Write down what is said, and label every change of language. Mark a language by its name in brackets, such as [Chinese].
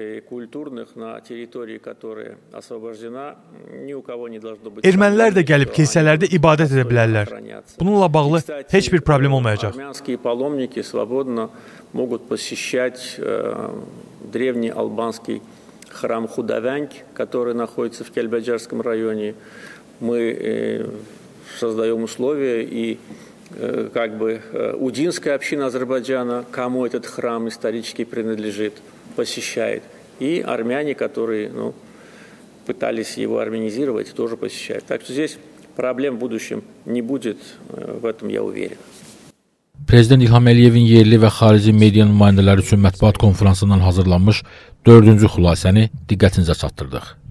[Russian] Культурных на территории, которая освобождена, ни у кого не должно быть. [Azerbaijani] Ermənilər də gəlib kilsələrdə ibadət edə bilərlər. Bununla bağlı heç bir problem olmayacaq. [Russian] Армянские паломники свободно могут посещать древний албанский храм Худавенк, который находится в Кельбеджарском районе. Мы создаем условия и как бы удинская община Азербайджана, кому этот храм исторически принадлежит, посещает. И армяне, которые пытались его армянизировать, тоже посещают. Так что здесь проблем в будущем не будет, в этом я уверен. [Azerbaijani] Prezident İlham Əliyevin yerli və xarici media nümayəndələri üçün mətbuat konfransından hazırlanmış 4-cü xülasəni diqqətinizə çatdırdıq.